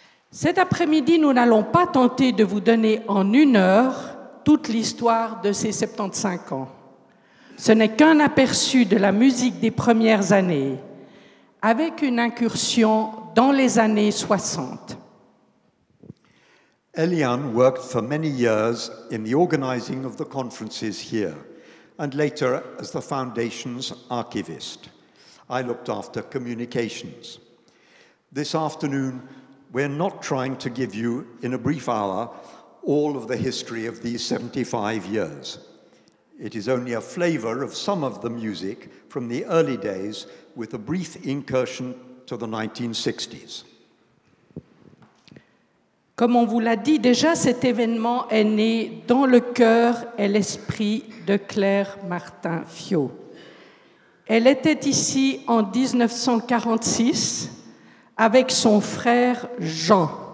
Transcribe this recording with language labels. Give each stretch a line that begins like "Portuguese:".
French: Cet après-midi, nous n'allons pas tenter de vous donner en une heure toute l'histoire de ces 75 ans. Ce n'est qu'un aperçu de la musique des premières années, avec une incursion dans les années 60.
English: Eliane worked for many years in the organizing of the conferences here, and later as the Foundation's archivist. I looked after communications. This afternoon, we're not trying to give you, in a brief hour, all of the history of these 75 years. It is only a flavor of some of the music from the early days with a brief incursion to the 1960s.
French: Comme on vous l'a dit déjà, cet événement est né dans le cœur et l'esprit de Claire Martin Fiau. Elle était ici en 1946 avec son frère Jean.